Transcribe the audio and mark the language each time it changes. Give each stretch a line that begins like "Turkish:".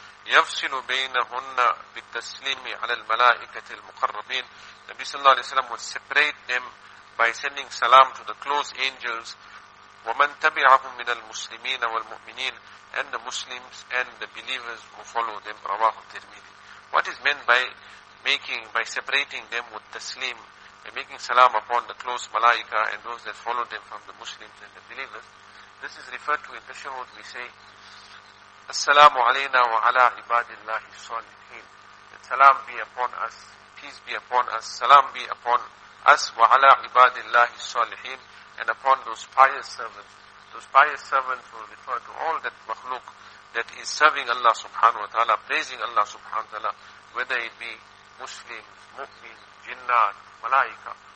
Arabic: يفصل بينهن بالتسليم على الملائكة المقربين.
English: Nabi sallallahu alayhi wa sallam would separate them by sending salam to the close angels.
Arabic: ومن تبعهم من المسلمين والمؤمنين.
English: And the Muslims and the believers who follow them.
Arabic: رواه الترمذي.
English: What is meant by separating them with taslim, by making salam upon the close malaika and those that follow them from the Muslims and the believers? This is referred to in tashahhud. We say
Arabic: السلام علينا وعلى عباد الله الصالحين.
English: Salam be upon us, peace be upon us, salam be upon us
Arabic: وعلى عباد الله الصالحين,
English: and upon those pious servants. Those pious servants will refer to all that makhluk that is serving Allah subhanahu wa ta'ala, praising Allah subhanahu wa ta'ala, whether it be Muslims, mu'min, jinnat, malaika.